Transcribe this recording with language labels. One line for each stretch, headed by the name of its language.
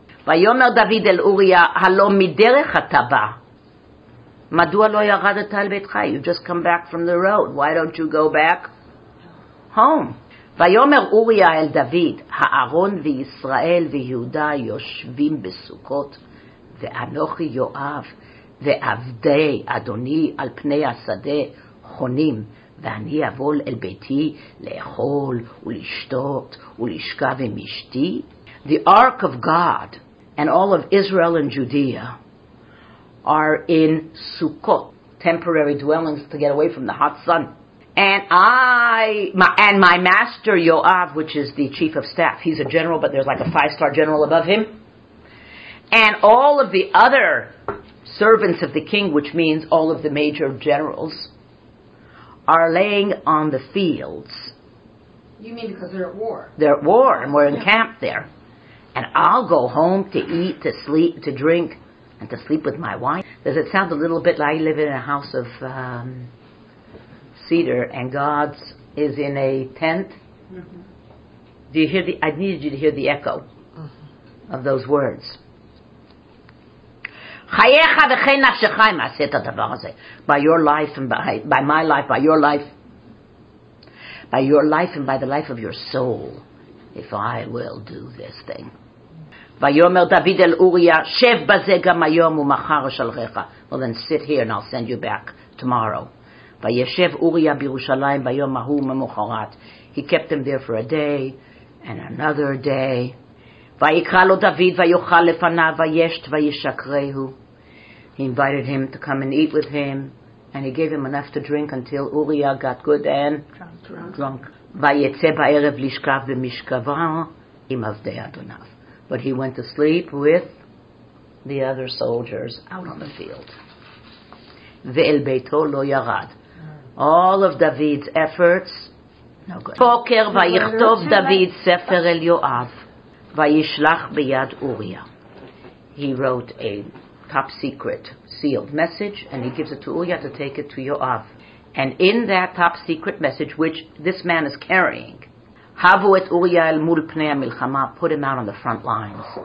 Hebrew: ויאמר דוד אל אוריה, הלא מדרך אתה בא. מדוע לא ירדת אל ביתך?
English: You just come back from the road. Why don't you go back home?
Hebrew: ויאמר אוריה אל דוד, הארון וישראל ויהודה יושבים בסוכות, ואנוכי יואב ועבדי אדוני על פני השדה חונים, ואני אבוא אל ביתי לאכול ולשתות ולשכב עם אשתי.
English: The ark of God and all of Israel and Judea are in Sukkot, temporary dwellings to get away from the hot sun. And my master Yoav, which is the chief of staff, he's a general, but there's like a five-star general above him. And all of the other servants of the king, which means all of the major generals, are laying on the fields. You mean because they're at war? They're at war, and we're encamped there. And I'll go home to eat, to sleep, to drink, and to sleep with my wife. Does it sound a little bit like living in a house of cedar, and God is in a tent? Mm-hmm. Do you hear I needed you to hear the echo of those words.
Hebrew: חייך וכן נפשך אם עשה את הדבר הזה.
English: By your life and by my life, by your life. By your life and by the life of your soul. If I will do this thing.
Hebrew: ויאמר דוד אל אוריה, שב בזה גם היום ומחר שלחך.
English: Well then sit here and I'll send you back tomorrow.
Hebrew: וישב אוריה בירושלים ביום ההוא ממחרת.
English: He kept him there for a day and another day.
Hebrew: ויקרא לו דוד ויוכל לפניו וישת וישקרהו.
English: He invited him to come and eat with him, and he gave him enough to drink until Uriah got good and drunk.
Hebrew: ויצא בערב לשכב במשכבו עם עבדי אדוניו.
English: But he went to sleep with the other soldiers out on the field.
Hebrew: ואל ביתו לא ירד.
English: All of David's efforts, no good.
Hebrew: בוקר ויכתוב דוד ספר אל יואב. וישלח ביד אוריה.
English: He wrote a top secret sealed message and he gives it to Uriah to take it to Yoav. And in that top secret message, which this man is carrying,
Hebrew: havu et Uriah el mul pnei milchama,
English: put him out on the front lines.